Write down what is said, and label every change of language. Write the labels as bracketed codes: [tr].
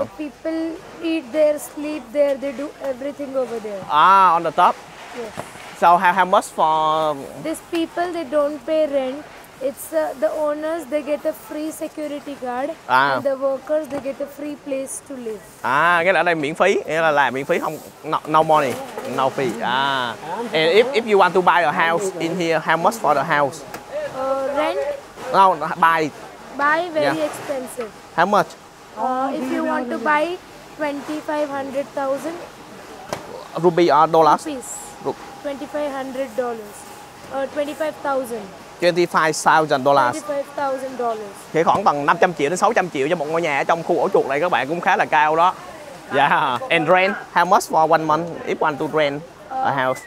[en] So people eat there, sleep there, they do everything over there. Ah, on the top? Yes. So how much for... These people, they don't pay rent. It's the owners, they get a free security guard. Ah. And the workers, they get a free place to live. [vi] Ah, nghĩa là ở đây miễn phí. Nghĩa là làm miễn phí, không, [en] no money, no fee. Ah. And if you want to buy a house in here, how much for the house? Rent? No, buy. Buy very expensive. How much? If you want to buy 2500,000 rupee or dollars? Rupees. 2500 dollars. 25,000. $25,000. $25,000. [vi] Thì khoảng bằng 500 triệu đến 600 triệu cho một ngôi nhà ở trong khu ổ chuột này các bạn, cũng khá là cao đó. [en] Yeah. And rent, how much for 1 month if want to rent a house?